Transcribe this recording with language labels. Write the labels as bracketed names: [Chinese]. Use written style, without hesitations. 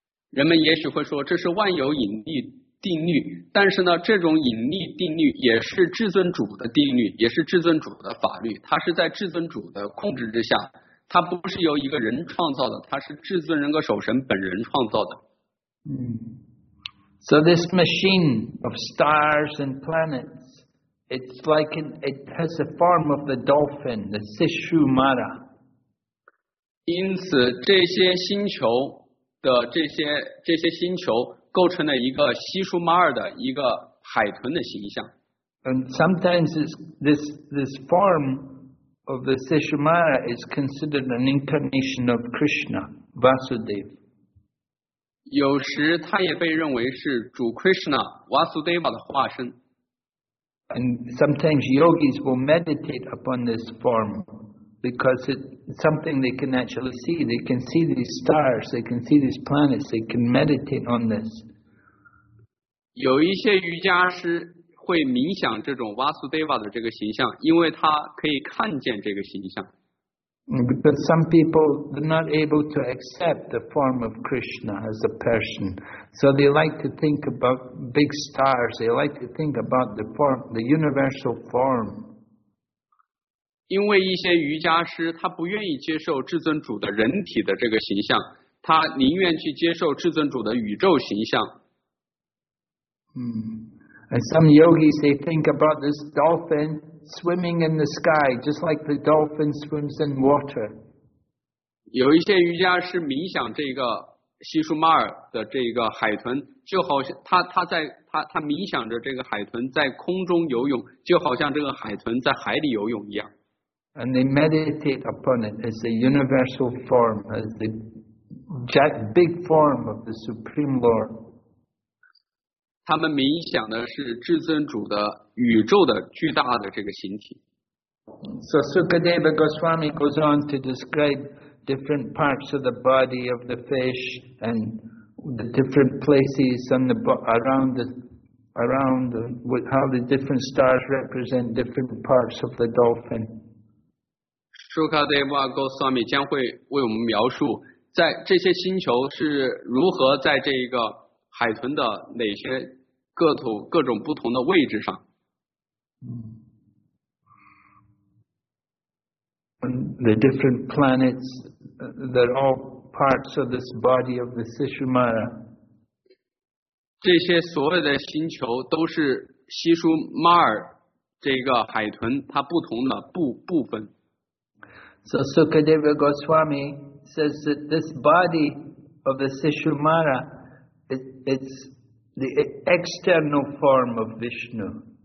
[Chinese] 人们也许会说这是万有引力定律，但是呢，这种引力定律也是至尊主的定律，也是至尊主的法律，它是在至尊主的控制之下，它不是由一个人创造的，它是至尊人格守神本人创造的。 [English] So this machine of stars and planets,It's like it has a form of the dolphin, the Sishumara. [Chinese] 因此，这些星球的这些星球构成了一个西舒马尔的一个海豚的形象。 [English] And sometimes this form of the Sishumara is considered an incarnation of Krishna, Vasudev. [Chinese] 有时，它也被认为是主 Krishna Vasudeva 的化身。 [English] And sometimes yogis will meditate upon this form because it's something they can actually see. They can see these stars, they can see these planets, they can meditate on this. [Chinese] 有一些瑜伽师会冥想这种 Vasudeva 的这个形象，因为他可以看见这个形象。 [English] But some people are not able to accept the form of Krishna as a person. So they like to think about big stars. They like to think about the form, the universal form. [Chinese] 因为一些瑜伽师他不愿意接受至尊主的人体的这个形象，他宁愿去接受至尊主的宇宙形象。 [English] And some yogis, they think about this dolphin. Swimming in the sky, just like the dolphin swims in water. [Chinese] 有一些瑜伽师冥想这个西舒马尔的这个海豚，就好像他冥想着这个海豚在空中游泳，就好像这个海豚在海里游泳一样。 [English] And they meditate upon it as a universal form, as the big form of the Supreme Lord. [Chinese] 他们冥想的是至尊主的。宇宙的巨大的这个形体。 [English] So Sukadeva Goswami goes on to describe different parts of the body of the fish and the different places on the around how the different stars represent different parts of the dolphin. [Chinese] Sukadeva Goswami 将会为我们描述在这些星球是如何在这个海豚的哪些各种不同的位置上。 [English] And the different planets, they're all parts of this body of the Sishumara. [Chinese] 这些所有的星球都是西舒马尔这个海豚它不同的部分。 [English] So Sukadeva Goswami says that this body of the Sishumara, it's the external form of Vishnu.